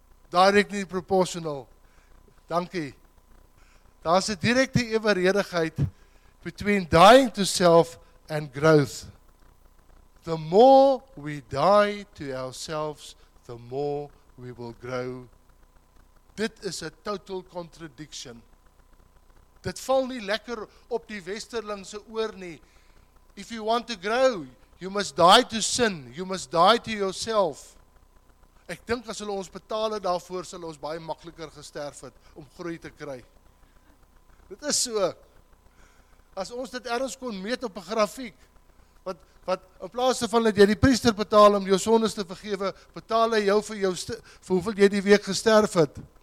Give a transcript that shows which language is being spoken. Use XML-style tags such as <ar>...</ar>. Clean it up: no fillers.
<en>Directly proportional.</en> <af>Dankie. Daar is die directe evenredigheid</af> <en>between dying to self and growth. The more we die to ourselves, the more we will grow.</en> <af>Dit is</af> <en>a total contradiction.</en> <af>Dit val nie lekker op die westerlingse oor nie.</af> <en>If you want to grow, you must die to sin. You must die to yourself.</en> <af>Ek dink as hulle ons betaal het daarvoor, sal ons baie makliker gesterf het om groei te kry. Dit is so. As ons dit ergens kon meet op 'n grafiek, wat in plaas van dat jy die priester betaal om jou sondes te vergewe, betaal hy jou vir jou vir hoeveel jy die week gesterf het.</af>